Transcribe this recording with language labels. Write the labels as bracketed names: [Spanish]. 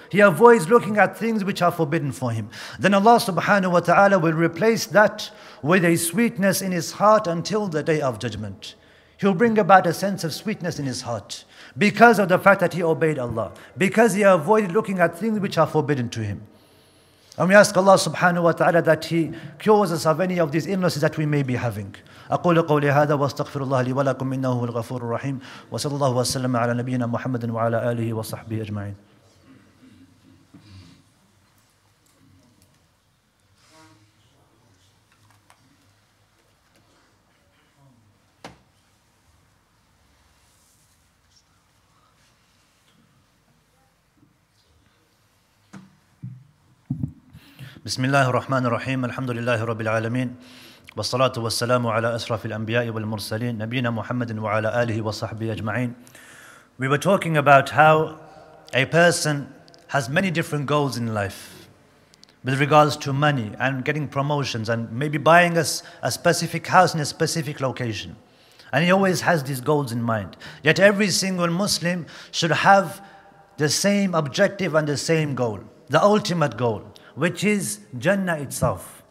[English] He avoids looking at things which are forbidden for him. Then Allah subhanahu wa ta'ala will replace that with a sweetness in his heart until the day of judgment. He'll bring about a sense of sweetness in his heart because of the fact that he obeyed Allah, because he avoided looking at things which are forbidden to him. And we ask Allah subhanahu wa ta'ala that he cures us of any of these illnesses that we may be having. [Arabic] أقول قولي هذا واستغفر الله لي ولكم إنه هو الغفور الرحيم وصلى الله وسلم على نبينا محمد وعلى آله وصحبه أجمعين. بسم الله الرحمن الرحيم الحمد لله رب العالمين والصلاة والسلام على أشرف الأنبياء والمرسلين نبينا محمد وعلى آله وصحبه أجمعين. [English] We were talking about how a person has many different goals in life with regards to money and getting promotions and maybe buying us a specific house in a specific location. And he always has these goals in mind. Yet every single Muslim should have the same objective and the same goal, the ultimate goal, which is Jannah itself.